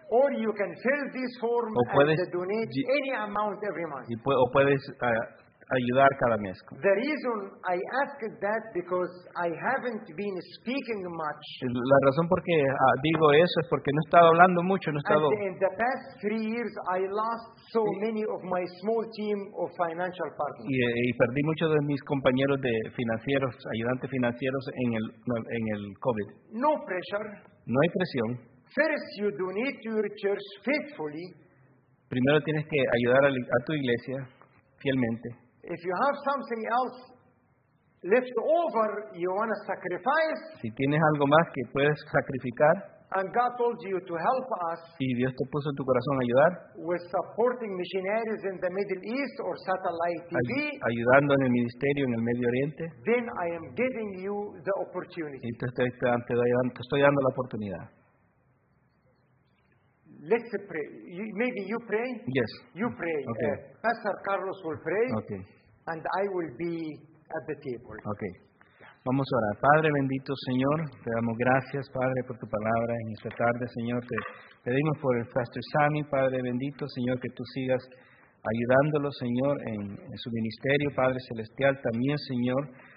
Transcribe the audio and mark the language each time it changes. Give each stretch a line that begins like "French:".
English: Or you can fill this form and donate any amount every month.
Spanish: O puedes ayudar cada mes.
English: The reason I ask that because I haven't been speaking much.
Spanish: La razón por qué digo eso es porque no he estado hablando mucho, no he estado.
English: And in the past 3 years, I lost so many of my small team of financial partners.
Spanish: Y perdí muchos de mis compañeros de financieros, ayudantes financieros en el COVID.
English: No pressure.
Spanish: No hay presión.
English: First, you donate to your church faithfully.
Spanish: Primero tienes que ayudar a tu iglesia fielmente.
English: If you have something else left over, you want to sacrifice.
Spanish: Si tienes algo más que puedes sacrificar.
English: And God told you to help us.
Spanish: Y Dios te puso en tu corazón ayudar.
English: With supporting missionaries in the Middle East or satellite TV.
Spanish: Ayudando en el ministerio en el Medio Oriente.
English: Then I am giving you the opportunity.
Spanish: Entonces te estoy dando la oportunidad.
English: Let's pray. Maybe you pray. Yes. You pray. Okay. Pastor Carlos will pray. Okay. And I will be at the table.
Spanish: Okay. Vamos a orar. Padre bendito, Señor, te damos gracias, Padre, por tu palabra en esta tarde, Señor. Te pedimos por el Pastor Sammy, Padre bendito, Señor, que tú sigas ayudándolo, Señor, en su ministerio, Padre celestial, también, Señor.